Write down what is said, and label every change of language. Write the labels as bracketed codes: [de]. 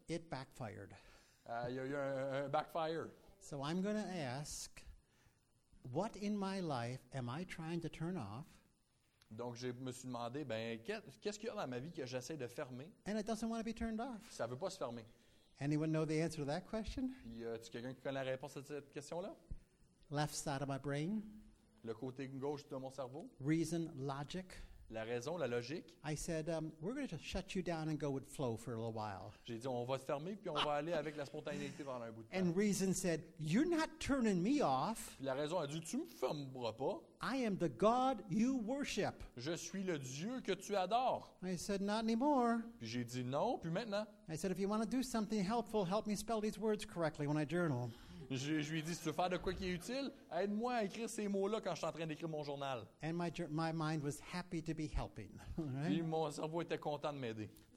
[en] It backfired. [fr] Il y a eu un backfire. [en] So I'm going to ask, what in my life am I trying to turn off? [fr] Donc je me suis demandé, ben qu'est-ce qu'il y a dans ma vie que j'essaie de fermer? [en] And it doesn't want to be turned off. [fr] Ça ne veut pas se fermer. [en] Anyone know the answer to that question? [fr] Y a-t-il quelqu'un qui connaît la réponse à cette question-là? [en] Left side of my brain. [fr] Le côté gauche de mon cerveau. [en] Reason, logic. [fr] la raison, la logique. [en] I said, we're going to just shut you down and go with flow for a little while. [fr] J'ai dit, on va se fermer puis on va aller avec la spontanéité pendant un bout de temps. [en] And reason said, you're not turning me off. [fr] La raison a dit, tu me fermeras pas. [en] I am the God you worship. [fr] Je suis le Dieu que tu adores. [en] I said, not anymore. [fr] Puis j'ai dit non, puis maintenant. [en] I said, if you want to do something helpful, help me spell these words correctly when I journal. [fr] Je lui ai dit, si tu veux faire de quoi qui est utile, aide-moi à écrire ces mots-là quand je suis en train d'écrire mon journal. [en] And my mind was happy to be helping. [fr] Puis mon cerveau était content de m'aider.